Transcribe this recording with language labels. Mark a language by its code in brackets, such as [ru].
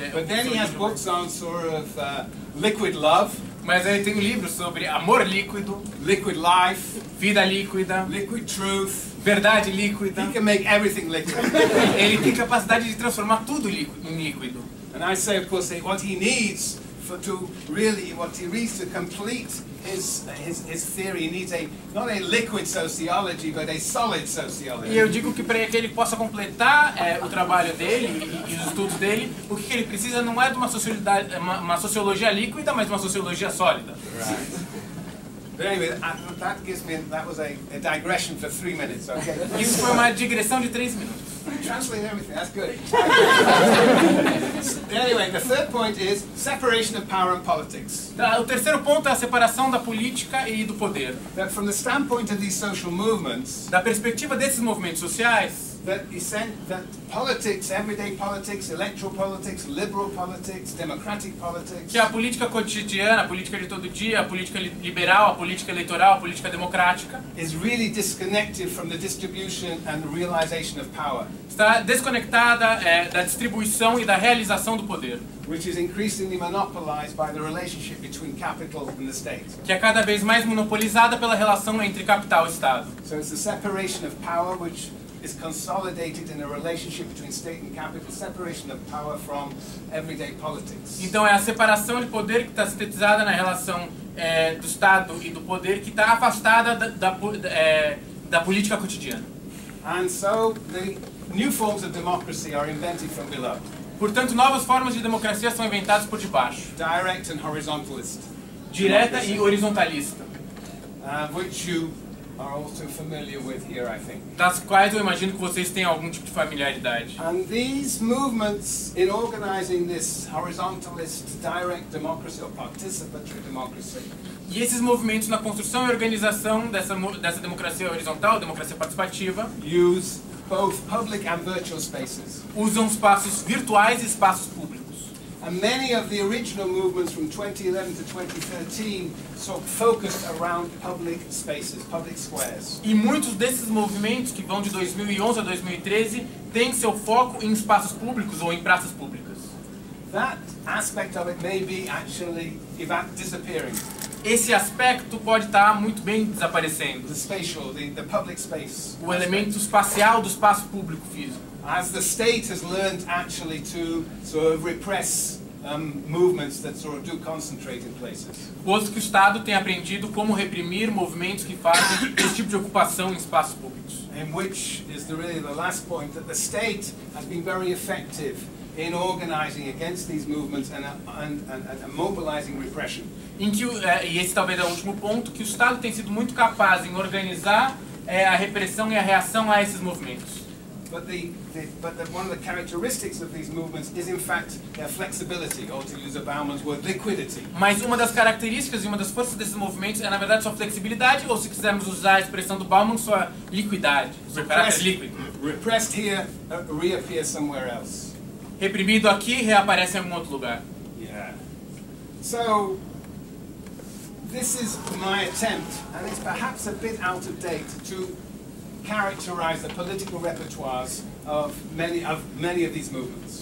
[en] But then he has books on sort of liquid love. [pt] Mas ele tem um livro sobre amor líquido, [en] liquid life, [pt] vida líquida, [en] liquid truth, [pt] verdade líquida. [en] He can make everything liquid. [pt] Ele tem capacidade de transformar tudo em líquido. [en] And I say, of course, what he needs for to really, what he needs to complete his theory, he needs not a liquid sociology, but a solid sociology. [pt] E eu digo que para que ele possa completar o trabalho dele e os estudos dele, o que ele precisa não é de uma sociologia líquida, mas uma sociologia sólida. [en] Right. But anyway, that was a digression for 3 minutes, okay? [pt] Isso foi uma digressão de 3 minutes. [en] Translate everything, that's good. Anyway, the third point is separation of power and politics. [pt] O terceiro ponto é a separação da política e do poder. [en] That from the standpoint of these social movements, [pt] da perspectiva desses movimentos sociais, [en] that politics, everyday politics, electoral politics, liberal politics, democratic politics, [pt] que a política cotidiana, a política de todo dia, a política liberal, a política eleitoral, a política democrática, [en] is really disconnected from the distribution and realization of power. [pt] Está desconectada da distribuição e da realização do poder, [en] which is increasingly monopolized by the relationship between capital and the state. [pt] Que é cada vez mais monopolizada pela relação entre capital e estado. [en] So it's the separation of power which is consolidated in a relationship between state and capital, separation of power from everyday politics. [pt] Então é a separação de poder que está sintetizada na relação do Estado e do poder que está afastada da política cotidiana. [en] And so the new forms of democracy are invented from below. [pt] Portanto, novas formas de democracia são inventadas por debaixo. [en] Direct and horizontalist. [pt] Direta e horizontalista. [en] Which you are also familiar with here, I think. [pt] Das quais eu imagino que vocês têm algum tipo de familiaridade. [en] And these movements in organizing this horizontalist direct democracy or participatory democracy. [pt] E esses movimentos na construção e organização dessa democracia horizontal, democracia participativa, [en] use both public and virtual spaces. [pt] Usam espaços virtuais e espaços públicos. [en] And many of the original movements from 2011 to 2013 focused around public spaces, public squares. [pt] E muitos desses movimentos que vão de 2011 a 2013 têm seu foco em espaços públicos ou em praças públicas. [en] That aspect of it may be actually disappearing. [pt] Esse aspecto pode estar muito bem desaparecendo. [en] The spatial, the public space. [pt] O elemento espacial do espaço público físico. [en] As the state has learned actually to sort of repress movements that sort of do concentrate in places. [pt] Posto que o Estado tem aprendido como reprimir movimentos que fazem esse tipo de ocupação em espaços públicos. [en] In which is the last point that the state has been very effective in organizing against these movements and mobilizing repression. [pt] E esse talvez é o último ponto, que o Estado tem sido muito capaz em organizar a repressão e a reação a esses movimentos. [en] But one of the characteristics of these movements is in fact their flexibility, or to use a Bauman's word, liquidity. [pt] Mas uma das características e uma das forças desses movimentos é na verdade sua flexibilidade, ou se quisermos usar a expressão do Bauman, sua liquidez, seu caráter líquido. [en] Repressed here, reappears somewhere else. [pt] Reprimido aqui, reaparece em algum outro lugar. [en] So this is my attempt, and it's perhaps a bit out of date, to characterize the political repertoires of many of these movements.